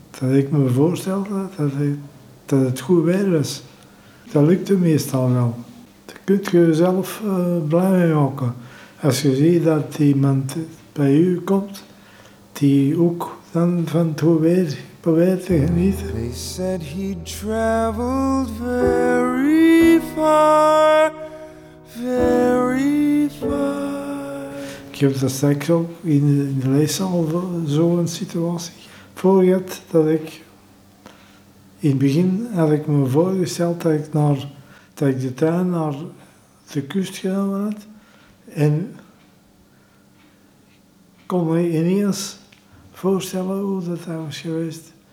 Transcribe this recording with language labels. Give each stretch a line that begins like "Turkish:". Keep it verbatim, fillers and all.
Dutch: Dat ik me voorstelde dat het, dat het goed weer was. Dat lukte meestal wel. Daar kun je jezelf uh, blij mee maken. Als je ziet dat iemand bij u komt, die ook dan van het goed weer probeert te genieten.
English: They said he traveled very far, very far.
Dutch: Ik heb dat straks ook in de leeszaal zo'n situatie voorgehad dat ik... In het begin had ik me voorgesteld dat ik, naar, dat ik de tuin naar de kust genomen had en kon me ineens voorstellen hoe dat was geweest.